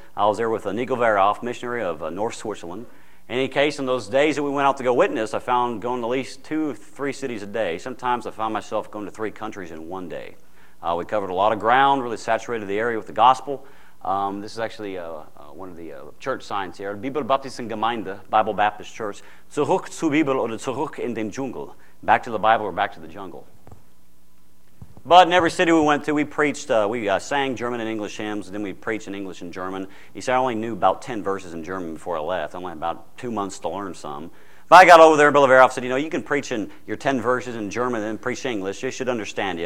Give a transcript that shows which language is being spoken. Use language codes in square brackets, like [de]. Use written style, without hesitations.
[en] I was there with Nico Verhoff, missionary of North Switzerland. In any case, in those days that we went out to go witness, I found going to at least 2-3 cities a day. Sometimes I found myself going to 3 countries in one day. We covered a lot of ground, really saturated the area with the gospel. This is actually one of the church signs here. Bibel Baptisten Gemeinde, Bible Baptist Church. [de] Zurück zur Bibel oder zurück in den Dschungel. [en] Back to the Bible or back to the jungle. But in every city we went to, we preached, we sang German and English hymns, and then we preached in English and German. He said, I only knew about 10 verses in German before I left. I only had about 2 months to learn some. But I got over there, and Bill Averoff said, you know, you can preach in your 10 verses in German and preach English. They should understand you.